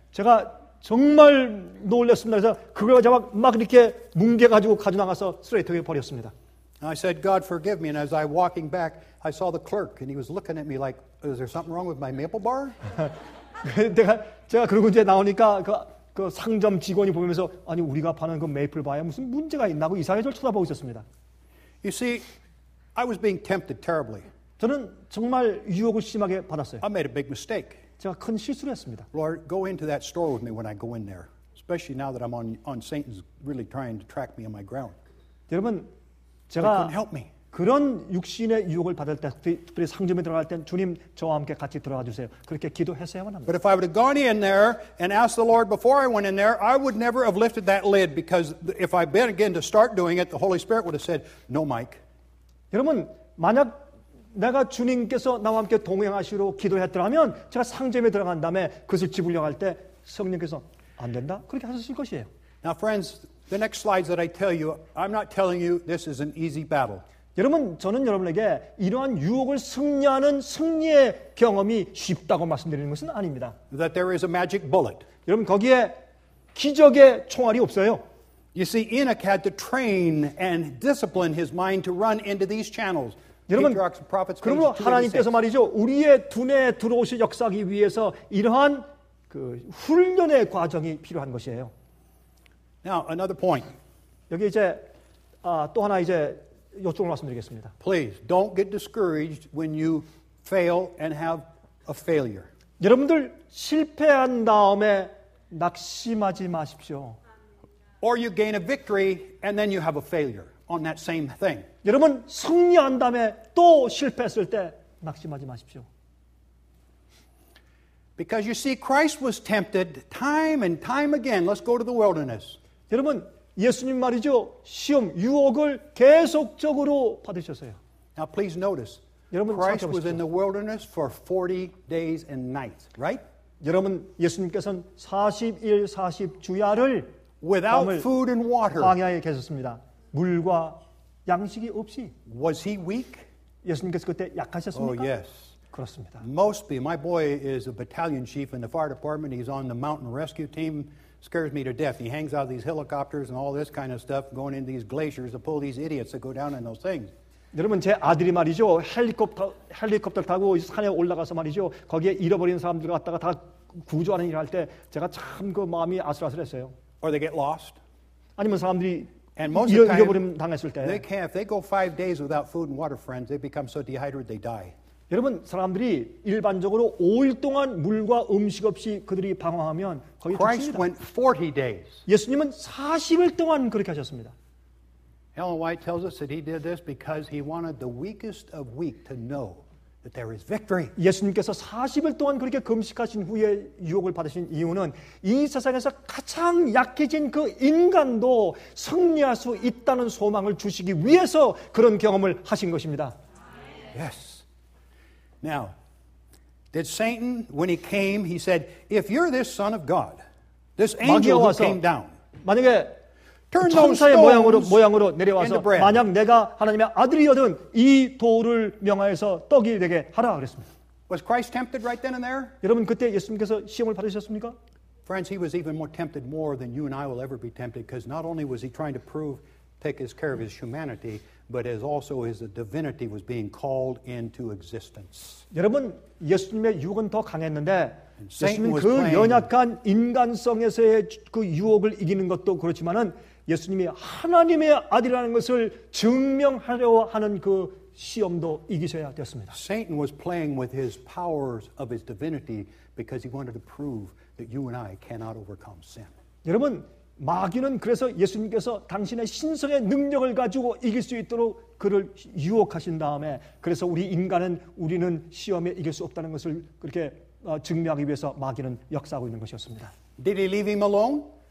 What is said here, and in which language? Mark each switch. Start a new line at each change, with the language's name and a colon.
Korean: 제가 정말 놀랐습니다. 그래서 그걸 제가 막 이렇게 뭉개가지고 가져 나가서 쓰레기통에 버렸습니다.
English: And I said, God forgive me. And as I walking back, I saw the clerk and he was looking at me like, is there something wrong with my maple bar?
Korean: 제가 그러고 이제 나오니까 그 상점 직원이 보면서 아니 우리가 파는 그 메이플 바에 무슨 문제가 있나고 이상하게 저를 쳐다보고 있었습니다.
English: You see, I was being tempted terribly.
Korean: 저는 정말 유혹을 심하게 받았어요.
English: I made a big mistake.
Korean: 제가 큰 실수를 했습니다.
English: Lord, go into that store with me when I go in there, especially now that I'm on Satan's really trying to track me on my ground.
Korean: 여러분, 제가
English: help me.
Korean: 그런 육신의 유혹을 받을 때 특별히 상점에 들어갈 때 주님 저와 함께 같이 들어와 주세요. 그렇게 기도했어야만 합니다.
English: But if I would have gone in there and asked the Lord before I went in there, I would never have lifted that lid because if I began to start doing it, the Holy Spirit would have said, "No, Mike."
Korean: 여러분, 만약 내가 주님께서 나와 함께 동행하시러 기도했더라면 제가 상점에 들어간 다음에 그것을 짚으려고 할 때 성령께서 안 된다 그렇게 하셨을 것이에요.
English: Now friends, the next slides that I tell you, I'm not telling you this is an easy battle.
Korean: 여러분, 저는 여러분에게 이러한 유혹을 승리하는 승리의 경험이 쉽다고 말씀드리는 것은 아닙니다.
English: That there is a magic bullet.
Korean: 여러분, 거기에 기적의 총알이 없어요.
English: You see, Enoch had to train and discipline his mind to run into these channels.
Korean: 여러분, 그러므로 하나님께서 말이죠. 우리의 두뇌에 들어오실 역사하기 위해서 이러한 그 훈련의 과정이 필요한 것이에요.
English: Now, another point.
Korean: 여기 이제 또 하나 이제 요청을 말씀드리겠습니다.
English: Please don't get discouraged when you fail and have a failure.
Korean: 여러분들 실패한 다음에 낙심하지 마십시오.
English: Or you gain a victory and then you have a failure on that same thing.
Korean: 여러분 승리한 다음에 또 실패했을 때 낙심하지 마십시오.
English: Because you see Christ was tempted time and time again. Let's go to the wilderness.
Korean: 여러분 예수님 말이죠. 시험, 유혹을 계속적으로 받으셨어요.
English: Now please notice.
Korean: 여러분,
English: Christ was in the wilderness for 40 days and nights, right?
Korean: 여러분, 예수님께서는 40일 40 주야를
English: without food and water.
Korean: 광야에 계셨습니다. 물과 양식이 없이.
English: Was he weak?
Korean: 예수님께서 그때 약하셨습니까?
English: Oh yes.
Korean: 그렇습니다.
English: Mostly my boy is a battalion chief in the fire department. He's on the mountain rescue team. Scares me to death. He hangs out of these helicopters and all this kind of stuff, going into these glaciers to pull these idiots that go down in those things.
Korean: 여러분, 제 아들이 말이죠. 헬리콥터 타고 산에 올라가서 말이죠. 거기에 잃어버린 사람들 갖다가 다 구조하는 일을 할 때 제가 참 그 마음이 아슬아슬했어요.
English: Or they get lost.
Korean: 아니면 사람들이 잃어버림 당했을 때.
English: They can't. If they go 5 days without food and water, friends, they become so dehydrated they die.
Korean: 여러분 사람들이 일반적으로 5일 동안 물과 음식 없이 그들이 방황하면 거의
English: Christ
Korean: 죽습니다.
English: Went 40 days.
Korean: 예수님은 40일 동안 그렇게 하셨습니다.
English: Ellen White tells us that he did this because he wanted the weakest of weak to know that there is victory.
Korean: 예수님께서 40일 동안 그렇게 금식하신 후에 유혹을 받으신 이유는 이 세상에서 가장 약해진 그 인간도 승리할 수 있다는 소망을 주시기 위해서 그런 경험을 하신 것입니다.
English: Yes. Now, did Satan, when he came, he said, if you're this son of God, this angel who came down, turn those stones
Korean: 모양으로 내려와서
English: into bread.
Korean: 만약 내가 하나님의 아들이여든 이 돌을 명하여서 떡이 되게 하라 그랬습니다.
English: Was Christ tempted right then and there?
Korean: 여러분, 그때 예수님께서 시험을 받으셨습니까?
English: Friends, he was even more tempted more than you and I will ever be tempted because not only was he trying to prove, take his care of his humanity, but as also as the divinity was being called into existence.
Korean: 여러분, 예수님의 유혹은 더 강했는데 예수님 그 연약한 인간성에서의 그 유혹을 이기는 것도 그렇지만은 예수님이 하나님의 아들이라는 것을 증명하려 하는 그 시험도 이기셔야 되었습니다.
English: Satan was playing with his powers of his divinity because he wanted to prove that you and I cannot overcome sin.
Korean: 여러분 마귀는 그래서 예수님께서 당신의 신성의 능력을 가지고 이길 수 있도록 그를 유혹하신 다음에 그래서 우리 인간은 우리는 시험에 이길 수 없다는 것을 그렇게 증명하기 위해서 마귀는 역사하고 있는 것이었습니다.
English: Did he leave him alone?